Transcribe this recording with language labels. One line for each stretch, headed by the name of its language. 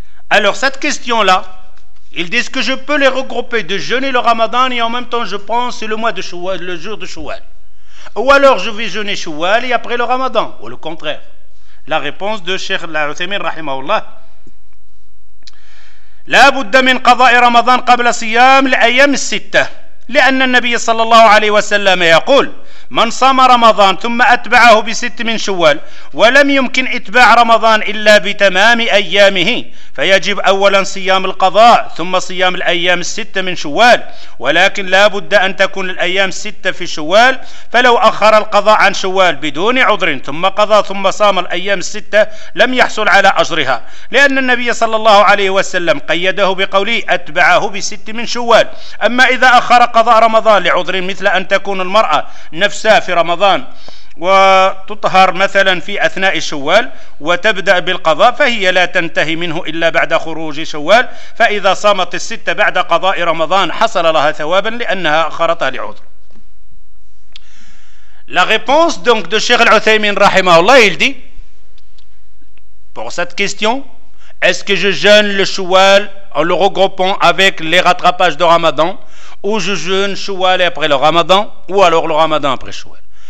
French: Alors cette question-là, ils disent que je peux les regrouper de jeûner le Ramadan et en même temps je pense c'est le mois de Shawwal, le jour de Shawwal. Ou alors je vais jeûner Shawwal et après le Ramadan, ou le contraire. La réponse de Cheikh Al-Uthaymin rahimahullah.
Arabic: لا بد من قضاء رمضان قبل صيام الأيام الستة لأن النبي صلى الله عليه وسلم يقول من صام رمضان ثم أتبعه بست من شوال ولم يمكن إتباع رمضان إلا بتمام أيامه فيجب أولا صيام القضاء ثم صيام الأيام الستة من شوال ولكن لا بد أن تكون الأيام الستة في شوال فلو أخر القضاء عن شوال بدون عذر ثم قضى ثم صام الأيام الستة لم يحصل على أجرها لأن النبي صلى الله عليه وسلم قيده بقوله أتبعه بست من شوال أما إذا أخر قضاء رمضان لعذر مثل أن تكون المرأة نفسها في رمضان وتطهر مثلا في أثناء شوال وتبدأ بالقضاء فهي لا تنتهي منه إلا بعد خروج شوال فإذا صامت الستة بعد قضاء رمضان حصل لها ثوابا لأنها أخرتها لعذر.
French: La réponse donc de Cheikh Al-Uthaymin rahimahullah, il dit pour cette question, est-ce que je jeûne le Shawwal en le regroupant avec les rattrapages de Ramadan ou je jeûne Shawwal après le Ramadan ou alors le Ramadan après Shawwal?